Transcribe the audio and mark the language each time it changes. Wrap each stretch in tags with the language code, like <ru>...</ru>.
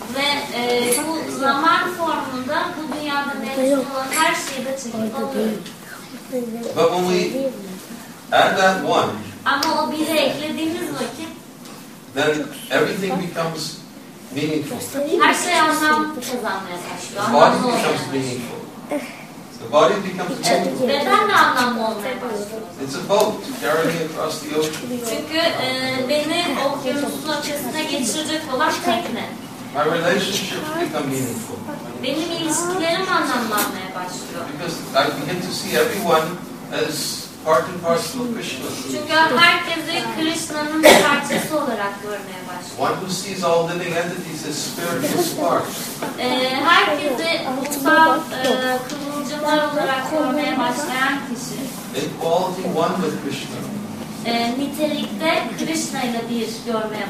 <tr>Ve bu zaman formunda bu dünyada mevcut olan her şeyi de çekip alıyorum.</tr> <en>But when we add that one,</en> <tr>ama o biri eklediğimiz vakit,</tr> <en>then everything becomes meaningful.</en> <tr>Her şey anlam kazanmaya başlıyor.</tr> <en>The body becomes meaningful. The body becomes meaningful.</en> <tr>Beden de anlamlı olmaya başlıyor.</tr> <en>It's a boat to carry me across the ocean.</en> <tr>Çünkü beni okyanusun ötesine geçirecek olan tekne.</tr> <en>My relationships become meaningful.</en> <tr>Benim ilişkilerim anlamlanmaya başlıyor.</tr> <en>Because I begin to see everyone as part and parcel of Krishna.</en> <tr>Çünkü herkesi Krishna'nın bir parçası olarak görmeye başlıyor.</tr> <en>One who sees all living entities as spiritual sparks.</en> <tr>Herkesi ruhsal kıvılcımlar olarak görmeye başlayan kişi.</tr> <en>In quality one with Krishna.</en> <tr>Nitelikte Krishna ile bir görmeye</tr>